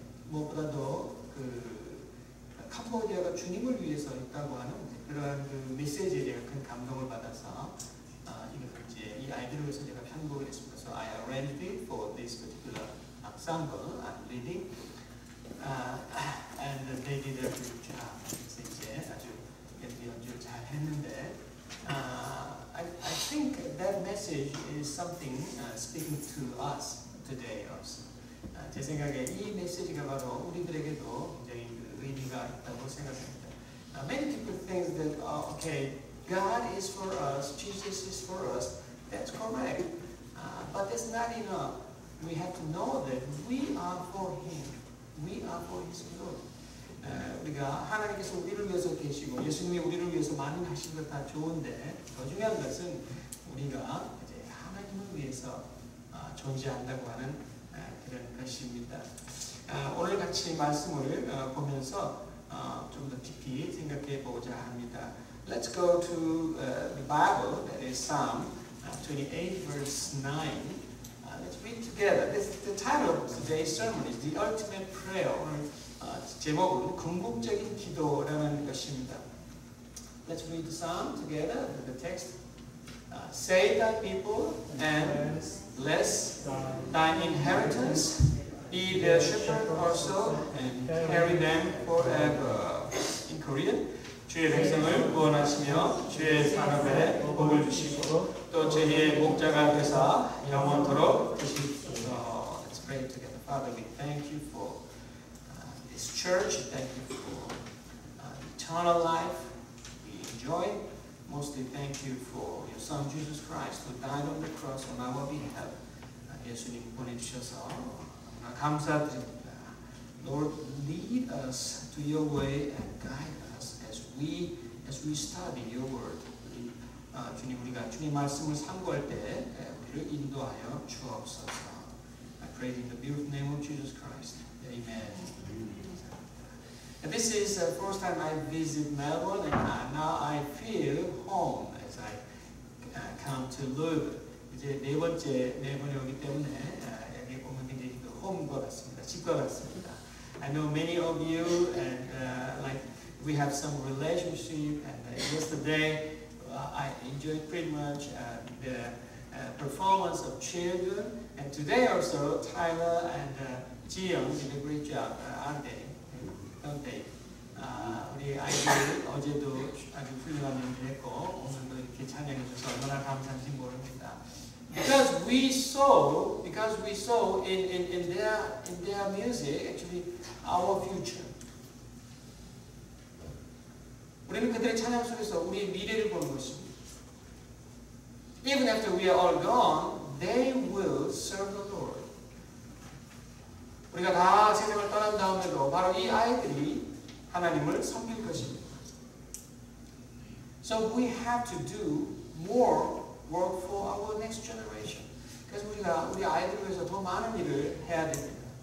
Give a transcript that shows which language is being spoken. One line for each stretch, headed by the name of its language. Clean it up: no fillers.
Korean: 무엇보다도 그 캄보디아가 주님을 위해서 있다고 하는 그런 그 메시지에 제가 큰 감동을 받아서 이제 이 아이들을 위해서 제가 편곡을 했습니다.
English: So I arranged it for this particular ensemble I'm leading. And they did a good job.
Korean: 이제 아주 연주를 잘 했는데
English: I think that message is something speaking to us today also.
Korean: 제 생각에 이 메시지가 바로 우리들에게도 굉장히 그 의미가 있다고 생각합니다.
English: Now, many people think that, okay, God is for us, Jesus is for us. That's correct. But it's not enough. We have to know that we are for Him. We are for His glory.
Korean: 우리가 하나님께서 우리를 위해서 계시고 예수님이 우리를 위해서 많은 하신 것 다 좋은데 더 중요한 것은 우리가 이제 하나님을 위해서 존재한다고 하는 그런 것입니다. 오늘 같이 말씀을 보면서 좀 더 깊이 생각해 보고자 합니다.
English: Let's go to the Bible, that is Psalm 28, verse 9. Let's read together. This is the title of today's sermon is The Ultimate Prayer.
Korean: 오늘 제목은 궁극적인 기도라는 것입니다.
English: Let's read the Psalm together, the text. Save thy people and bless thine inheritance. Be their shepherd also and carry them forever. In Korean,
Korean: 주의 백성을 구원하시며 주의 산업에 복을 주시고 또 저희의 목자가 되사 영원토록 주시옵소서.
English: Let's pray together. Father, we thank you for this church. Thank you for eternal life we enjoy. Mostly thank you for your son Jesus Christ who died on the cross on our behalf.
Korean: 예수님 보내주셔서 감사드립니다.
English: Lord, lead us to your way and guide us as we study your word.
Korean: 주님 우리가 주님 말씀을 상고할 때 우리를 인도하여 주옵소서.
English: I pray in the beautiful name of Jesus Christ. Amen. This is the first time I visit Melbourne, and now I feel home as I come to live.
Korean: 이제 네 번이 오기 때문에 여기 오면 굉장히 그 홈과 같습니다, 집과 같습니다.
English: I know many of you, and like we have some relationship. And yesterday, I enjoyed pretty much the performance of children. And today also, Tyler and Jiyoung did a great job, aren't they?
Korean: 우리 아이들 어제도 아주 훌륭한 연주했고 오늘도 이렇게 찬양해줘서 얼마나 감사한지 모릅니다.
English: Because we saw in their music actually our future.
Korean: 우리는 그들의 찬양 속에서 우리의 미래를 보는 것입니다.
English: Even after we are all gone, they will serve the Lord.
Korean: 우리가 다 세상을 떠난 다음에도 바로 이 아이들이 하나님을 섬길 것입니다.
English: So we have to do more work for our next generation.
Korean: 그래서 우리가 우리 아이들을 위해서 더 많은 일을 해야 됩니다.